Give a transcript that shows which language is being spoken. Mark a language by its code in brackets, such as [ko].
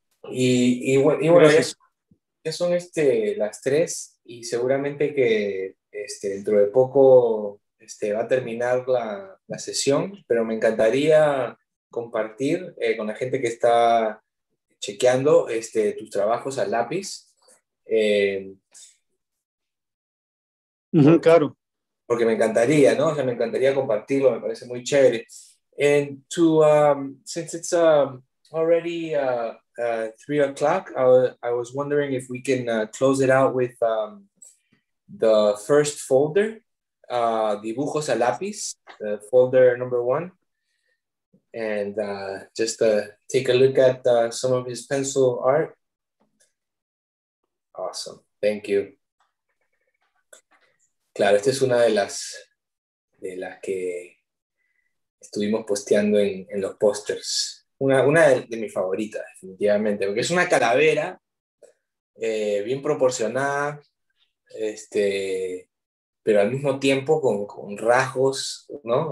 [es] Y bueno, ya son las tres y seguramente que dentro de poco va a terminar la sesión, pero me encantaría compartir con la gente que está chequeando tus trabajos al lápiz. Claro. Porque me encantaría, ¿no? O sea, me encantaría compartirlo, me parece muy chévere. [en] And to since it's already 3 o'clock, I was wondering if we can close it out with the first folder, [es] dibujos a lápiz, [en] the folder number one, and just take a look at some of his pencil art. Awesome, thank you. [es] Claro, esta es una de las que estuvimos posteando en los posters. Una de mis favoritas, definitivamente, porque es una calavera bien proporcionada, pero al mismo tiempo con rasgos, ¿no?